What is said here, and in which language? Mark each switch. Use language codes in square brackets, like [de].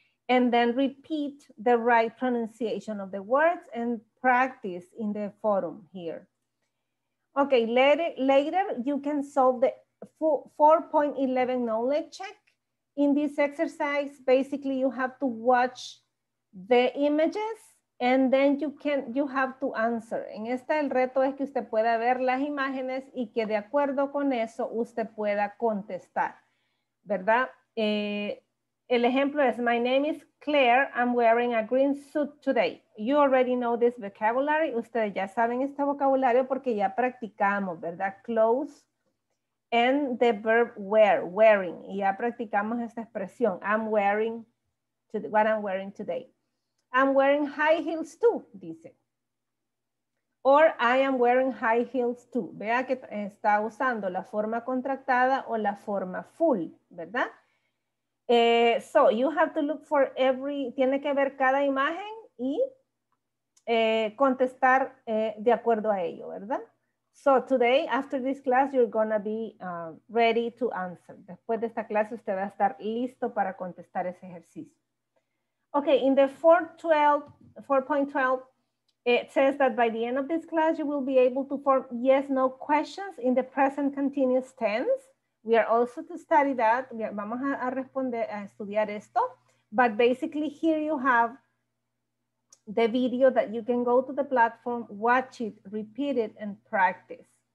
[en] And then repeat the right pronunciation of the words and practice in the forum here. Okay, later you can solve the 4.11 knowledge check. In this exercise, basically you have to watch the images and then you have to answer. [es] En esta el reto es que usted pueda ver las imágenes y que de acuerdo con eso usted pueda contestar, ¿verdad? El ejemplo es, [en] my name is Claire, I'm wearing a green suit today. You already know this vocabulary, [es] ustedes ya saben este vocabulario porque ya practicamos, ¿verdad? [en] Clothes and the verb wear, wearing, [es] y ya practicamos esta expresión, [en] I'm wearing, what I'm wearing today. I'm wearing high heels too, dice. Or I am wearing high heels too. [es] Vea que está usando la forma contractada o la forma full, ¿verdad? [en] So you have to look for every, [es] tiene que ver cada imagen y contestar de acuerdo a ello, ¿verdad? [en] So today, after this class, you're gonna be ready to answer. [es] Después de esta clase, usted va a estar listo para contestar ese ejercicio. [en] Okay, in the 4.12, it says that by the end of this class, you will be able to form yes, no questions in the present continuous tense. We are also to study that. [es] Vamos a responder, a estudiar esto. [en] But basically here you have the video that you can go to the platform, watch it, repeat it, and practice.